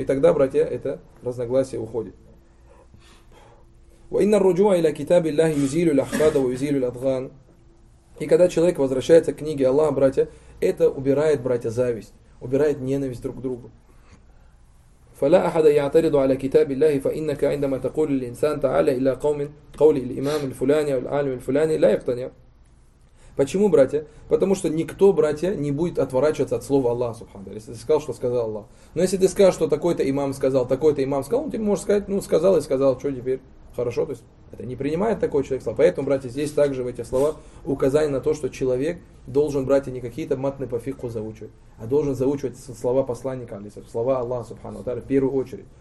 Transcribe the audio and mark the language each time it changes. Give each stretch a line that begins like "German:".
Russian: И тогда, братья, это разногласие уходит.
Arabic: وان الرجوع الى كتاب الله يزيل الاحقاد ويزيل الاضغان.
Russian: И когда человек возвращается к книге Аллаха, братья, это убирает, братья, зависть, убирает ненависть друг к другу.
Arabic: فلا احد يعترض على كتاب الله فانك عندما تقول الانسان تعالى الى قوم قول الامام الفلاني او العالم الفلاني لا يقتنع.
Russian: Почему, братья? Потому что никто, братья, не будет отворачиваться от слова Аллаха субхана. Если ты сказал, что сказал Аллах. Но если ты скажешь, что такой-то имам сказал, такой-то имам сказал, он тебе может сказать, ну, сказал и сказал, что теперь? Хорошо, то есть это не принимает такой человек слова. Поэтому, братья, здесь также в этих словах указание на то, что человек должен, братья, не какие-то матны по фикху заучивать, а должен заучивать слова посланника, слова Аллаха субхана ва тааля в первую очередь.